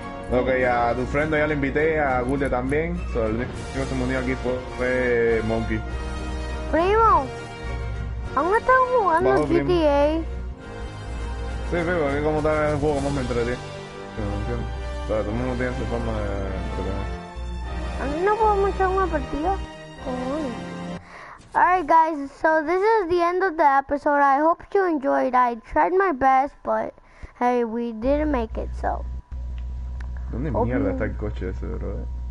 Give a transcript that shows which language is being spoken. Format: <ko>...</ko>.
<es>Ok, a tu friend ya le invité, a Gude también. So, el único que se unió aquí fue Monkey. Primo, ¿aún estamos jugando GTA? Primo. Sí, Pipo, aquí como está el juego, más me entretiene. No, o sea, todo el mundo tiene su forma de entretener. ¿A mí no podemos echar una partida? ¿Cómo?</es> <en>Alright guys, so this is the end of the episode. I hope you enjoyed. I tried my best, but hey, we didn't make it, so.</en> <es>¿Dónde mierda está el coche ese, bro?</es>